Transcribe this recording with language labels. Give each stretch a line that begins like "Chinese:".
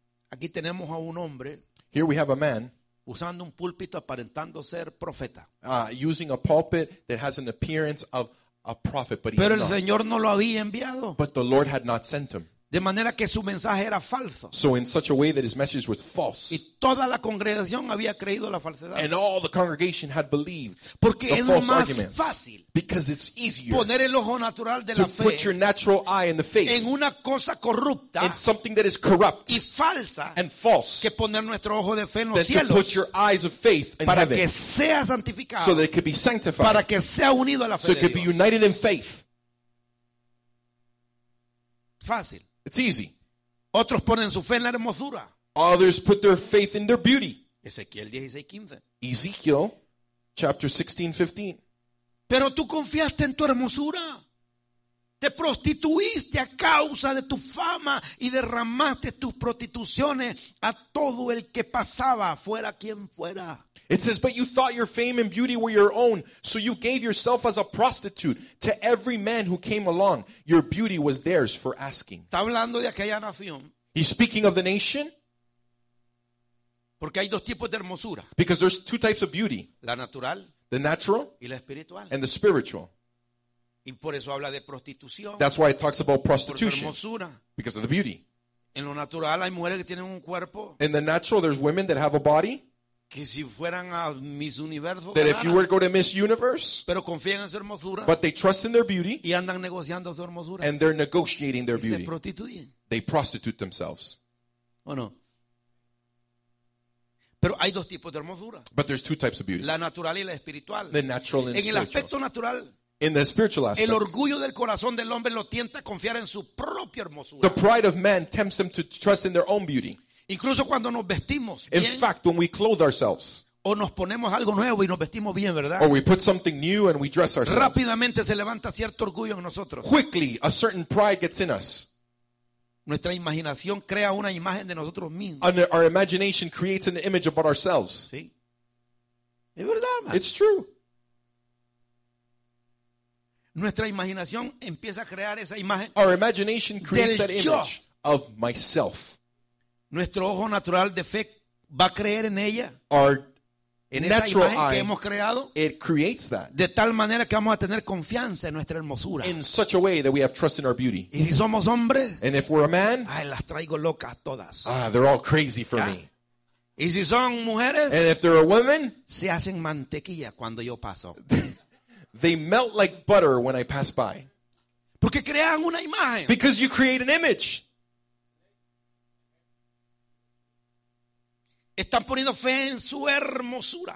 Spanish: Aquí tenemos a un hombre.
English: Here we have a man.
Spanish: Usando un púlpito aparentando ser profeta.
English: Using a pulpit that has an appearance of a prophet, but he's
Spanish: pero el
English: not.
Spanish: Señor no lo había enviado.
English: But the Lord had not sent him.
Spanish: De manera que su mensaje era falso.
English: So in such a way that his message was false.
Spanish: Y toda la congregación había creído la falsedad.
English: And all the congregation had believed
Spanish: porque
English: the
Spanish: es
English: false
Spanish: más
English: arguments.
Spanish: Fácil
English: because it's easier
Spanish: poner el ojo natural de
English: to
Spanish: la fe
English: put your natural eye in the faith
Spanish: en una cosa corrupta
English: in something that is corrupt
Spanish: y falsa
English: and false
Spanish: que poner nuestro ojo de fe en los
English: than
Spanish: cielos
English: to put your eyes of faith in
Spanish: para
English: heaven
Spanish: que sea santificado
English: so that it could be sanctified
Spanish: para que sea unido a la fe
English: so
Spanish: de
English: it could
Spanish: Dios.
English: Be united in faith.
Spanish: Fácil.
English: It's easy.
Spanish: Otros ponen su fe en la hermosura.
English: Others put their faith in their beauty.
Spanish: Ezequiel 16:15.
English: Ezekiel chapter 16:15.
Spanish: Pero tú confiaste en tu hermosura. Te prostituiste a causa de tu fama y derramaste tus prostituciones a todo el que pasaba, fuera quien fuera.
English: It says, but you thought your fame and beauty were your own, so you gave yourself as a prostitute to every man who came along. Your beauty was theirs for asking.
Spanish: Está hablando de aquella nación.
English: He's speaking of the nation.
Spanish: Porque hay dos tipos de hermosura.
English: Because there's two types of beauty.
Spanish: La natural.
English: The natural.
Spanish: Y la espiritual.
English: And the spiritual.
Spanish: Y por eso habla de prostitución.
English: That's why it talks about prostitution.
Spanish: Por su hermosura.
English: Because of the beauty.
Spanish: En lo natural hay mujeres que tienen un cuerpo.
English: In the natural, there's women that have a body.
Spanish: Que si fueran a Miss Universo,
English: that if you were going to Miss Universe,
Spanish: pero confían en su hermosura,
English: but they trust in their beauty,
Spanish: y andan negociando su hermosura,
English: and they're negotiating their
Spanish: y
English: beauty.
Spanish: Se prostituyen.
English: They prostitute themselves.
Spanish: ¿O no? Pero hay dos tipos de hermosura.
English: But there's two types of beauty.
Spanish: La natural y la espiritual.
English: The natural and
Spanish: en el aspecto
English: spiritual.
Spanish: Natural,
English: in the spiritual aspect.
Spanish: El orgullo del corazón del hombre lo tienta a confiar en su propia hermosura.
English: The pride of man tempts them to trust in their own beauty.
Spanish: Incluso cuando nos vestimos bien,
English: in fact, when we clothe ourselves,
Spanish: o nos ponemos algo nuevo y nos vestimos bien, ¿verdad?
English: Or we put something new and we dress ourselves.
Spanish: Rápidamente se levanta cierto orgullo en nosotros.
English: Quickly, a certain pride gets in us.
Spanish: Nuestra imaginación crea una imagen de nosotros mismos.
English: And our imagination creates an image about ourselves.
Spanish: Sí. Es verdad, man.
English: It's true.
Spanish: Nuestra imaginación empieza a crear esa imagen.
English: Our imagination creates that
Spanish: yo.
English: Image of myself.
Spanish: Nuestro ojo natural de fe va a creer en ella.
English: Our
Spanish: en esa imagen
English: eye,
Spanish: que hemos creado.
English: It creates that.
Spanish: De tal manera que vamos a tener confianza en nuestra hermosura.
English: In such a way that we have trust in our beauty.
Spanish: Y si somos hombres.
English: And if we're a man.
Spanish: Ay, las traigo locas todas.
English: Ah, they're all crazy for ya. Me.
Spanish: Y si son mujeres.
English: And if they're a woman.
Spanish: Se hacen mantequilla cuando yo paso.
English: They melt like butter when I pass by.
Spanish: Porque crean una imagen.
English: Because you create an image.
Spanish: Están poniendo fe en su hermosura.